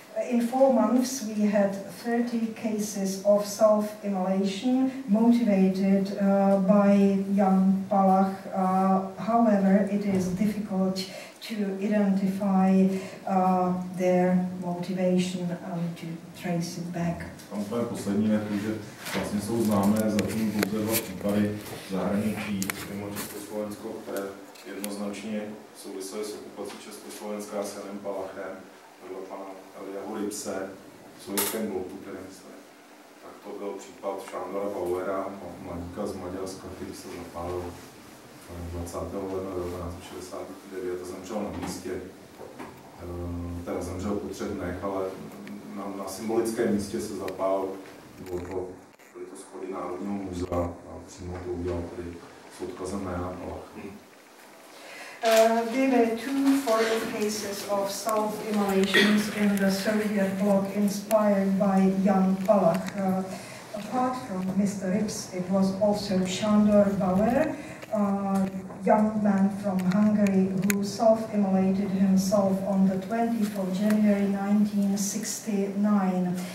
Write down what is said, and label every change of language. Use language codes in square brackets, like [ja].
[en] In four months we had 30 cases of self-immolation motivated by Jan Palach. However, it is difficult to identify their motivation and to trace it back. [cs] Tam úplně poslední věci, že vlastně jsou známé zatím pouze dva případy zahraničí mimo Československo, které jednoznačně souvisely s okupací Československa s Janem Palachem, vedle pana Eliyahu Ripse v sovětském bloku, který myslím. Tak to byl případ Šándora Bauera, mladíka z Maďarska, který se zapálil 20. ledna 1969 a zemřel na místě. Ten zemřel po třech dnech, ale na symbolickém místě se zapál, byly to schody Národního muzea a přímo to udělal tady s odkazem na Jana Palacha. [en] There were two foreign cases of self-immolations in the Soviet bloc inspired by Jan Palach. Apart from Mr. Rips, it was also Sándor Bauer, a young man from Hungary who self-immolated himself on the 24th January 1969.